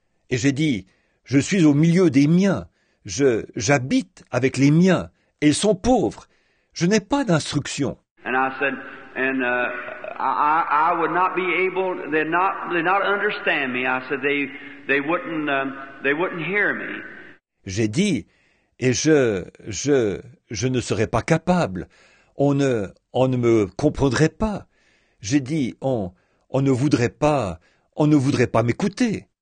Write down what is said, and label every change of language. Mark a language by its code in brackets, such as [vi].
[fr] Et j'ai dit, je suis au milieu des miens, j'habite avec les miens, et ils sont pauvres, je n'ai pas d'instruction. [en] And I said, and, I would not be able, they not understand me. I said, they wouldn't hear me. [fr] J'ai dit, et je ne serais pas capable. On ne me comprendrait pas. J'ai dit, on ne voudrait pas m'écouter.